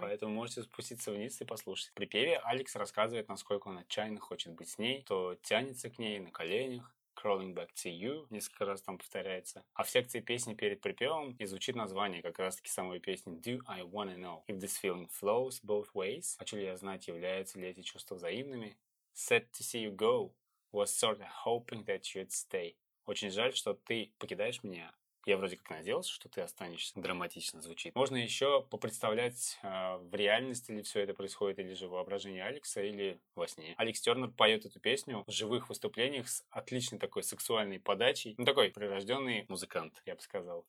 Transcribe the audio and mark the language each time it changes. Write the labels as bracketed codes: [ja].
[ru] Поэтому можете спуститься вниз и послушать. В припеве Алекс рассказывает, насколько он отчаянно хочет быть с ней, то тянется к ней на коленях, [en] Crawling Back to You, [ru] несколько раз там повторяется. А в секции песни перед припевом и звучит название как раз-таки самой песни [en] Do I Wanna Know If This Feeling Flows Both Ways. [ru] Хочу ли я знать, являются ли эти чувства взаимными? [en] Sad to see you go. Was sort of hoping that you'd stay. [ru] Очень жаль, что ты покидаешь меня. я вроде как надеялся, что ты останешься. Драматично звучит. Можно еще попредставлять в реальности ли все это происходит, или же воображение Алекса, или во сне. Алекс Тернер поет эту песню в живых выступлениях с отличной такой сексуальной подачей. Ну, такой прирожденный музыкант, я бы сказал.